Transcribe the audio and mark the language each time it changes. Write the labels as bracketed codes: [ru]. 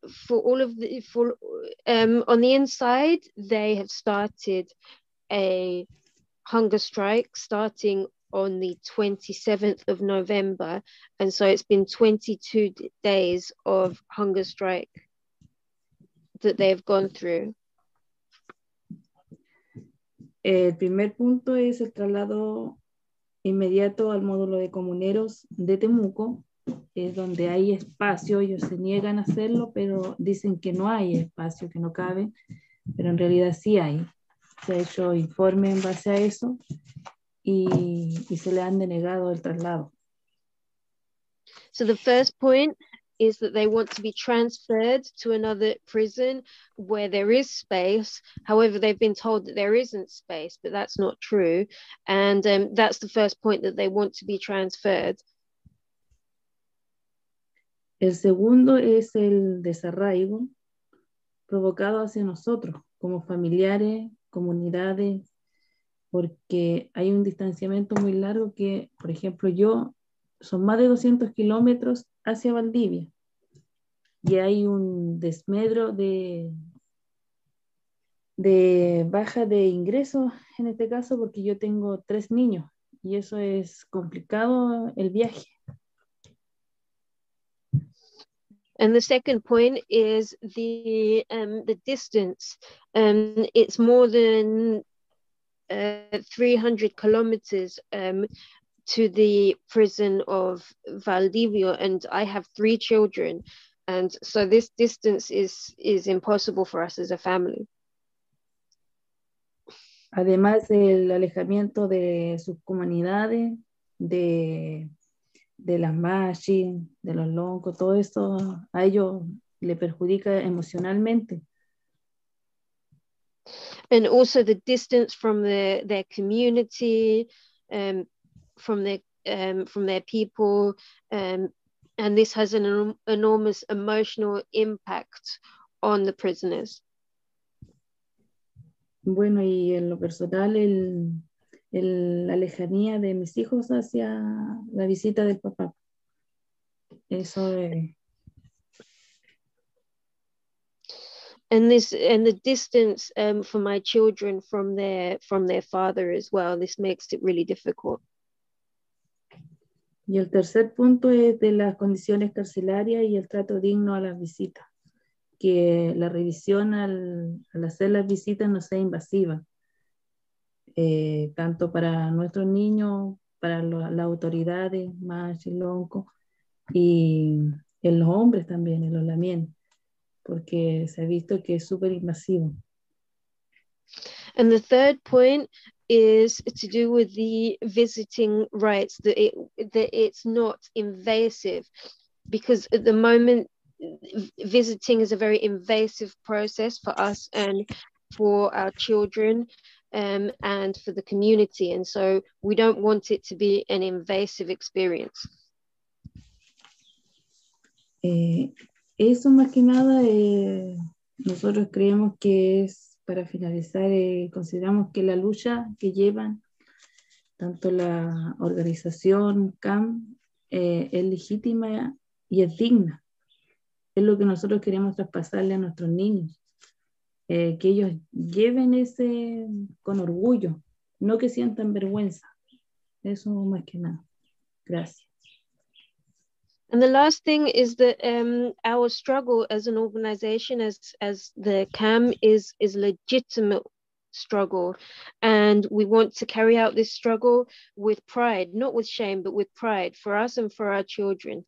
[en] On the inside, they have started a hunger strike starting on the 27th of November, and so it's been 22 days of hunger strike that they've gone through. [es] El primer punto es el traslado inmediato al módulo de comuneros de Temuco, es donde hay espacio. Ellos se niegan a hacerlo, pero dicen que no hay espacio, que no cabe, pero en realidad sí hay. Se ha hecho informe en base a eso y se le han denegado el traslado. [en] So the first point is that they want to be transferred to another prison where there is space. However, they've been told that there isn't space, but that's not true. And that's the first point, that they want to be transferred. [es] El segundo es el desarraigo provocado hacia nosotros como familiares, comunidades, porque hay un distanciamiento muy largo que, por ejemplo, yo, son más de 200 kilómetros hacia Valdivia, y hay un desmedro de baja de ingresos en este caso, porque yo tengo 3 niños y eso es complicado el viaje. [en] And the second point is the distance. It's more than 300 kilometers to the prison of Valdivia, and I have 3 children, and so this distance is impossible for us as a family. [es] Además, el alejamiento de sus comunidades, de las machis, de los loncos, todo esto a ellos le perjudica emocionalmente. [en] And also the distance from their community, from their people, and this has an enormous emotional impact on the prisoners. [es] Bueno, y en lo personal, la lejanía de mis hijos hacia la visita del papá. [en] And the distance for my children from their father as well. This makes it really difficult. [es] Y el tercer punto es de las condiciones carcelarias y el trato digno a las visitas. Que la revisión al hacer las visitas no sea invasiva. Tanto para nuestros niños, para las autoridades, más chilonco, y en los hombres también, en los lamien, porque se ha visto que es súper invasivo. [en] And the third point is to do with the visiting rights, that it's not invasive, because at the moment visiting is a very invasive process for us and for our children. And for the community, and so we don't want it to be an invasive experience. [es] Eso más que nada, nosotros creemos que es, para finalizar, consideramos que la lucha que llevan tanto la organización CAM es legítima y es digna. Es lo que nosotros queremos traspasarle a nuestros niños. que ellos lleven ese con orgullo, no que sientan vergüenza. Eso más que nada. Gracias. [en] And the last thing is that our struggle as an organization, as the CAM, is legitimate struggle. And we want to carry out this struggle with pride, not with shame, but with pride for us and for our children.